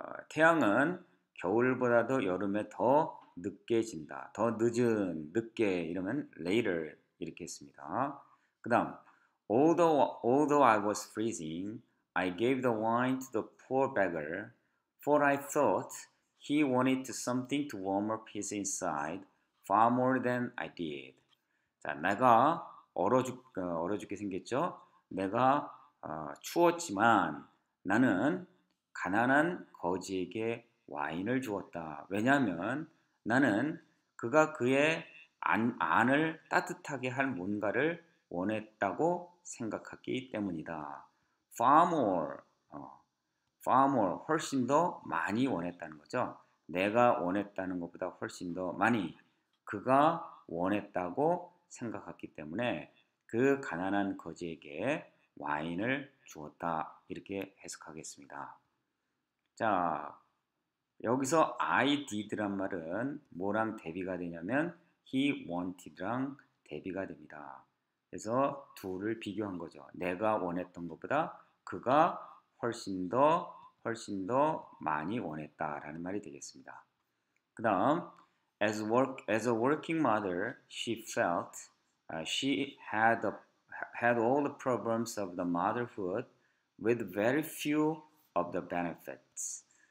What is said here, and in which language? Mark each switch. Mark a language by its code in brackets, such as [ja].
[ko] 태양은 겨울보다도 여름에 더 늦게 진다. 더 늦은, 늦게 이러면 later 이렇게 씁니다. 그 다음, [en] although I was freezing, I gave the wine to the poor beggar, for I thought he wanted something to warm up his inside far more than I did. [ko] 자, 내가 얼어 죽게 생겼죠? 내가 추웠지만 나는 가난한 거지에게 와인을 주었다. 왜냐하면 나는 그가 그의 안을 따뜻하게 할 뭔가를 원했다고 생각하기 때문이다. [en] Far more, [ko] 훨씬 더 많이 원했다는 거죠. 내가 원했다는 것보다 훨씬 더 많이 그가 원했다고 생각했기 때문에 그 가난한 거지에게 와인을 주었다. 이렇게 해석하겠습니다. 자, 여기서 [en] I did [ko] 란 말은 뭐랑 대비가 되냐면 [en] he wanted [ko] 랑 대비가 됩니다. 그래서 둘을 비교한 거죠. 내가 원했던 것보다 그가 훨씬 더 많이 원했다라는 말이 되겠습니다. 그 다음, [en] as a working mother, she felt she had all the problems of the motherhood with very few of the benefits.